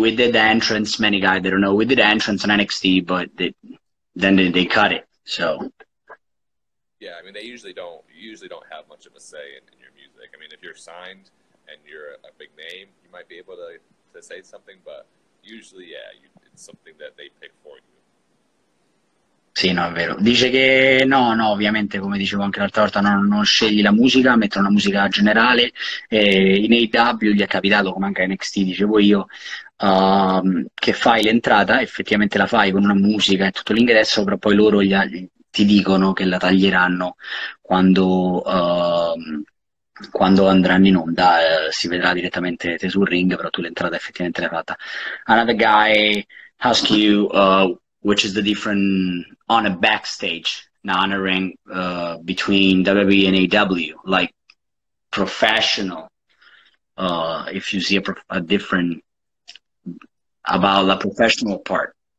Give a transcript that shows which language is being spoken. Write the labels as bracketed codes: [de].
[en] We did the entrance, many guys, they don't know. We did the entrance on NXT, but they cut it. So yeah, I mean, they usually don't have much of a say in your music. I mean, if you're signed and you're a big name, you might be able to say something, but usually, yeah, it's something that they pick for you. [it] Sì, no, è vero. Dice che no, ovviamente, come dicevo anche l'altra volta, non scegli la musica, mettono una musica generale. In AEW gli è capitato, come anche NXT, dicevo io, che fai l'entrata, effettivamente la fai con una musica e tutto l'ingresso, però poi loro ti dicono che la taglieranno quando andranno in onda, si vedrà direttamente te sul ring, però tu l'entrata effettivamente l'hai fatta. [en] Another guy ask you, which is the different on a backstage, now on a ring, between WWE and AEW, like professional, if you see a different about the professional part.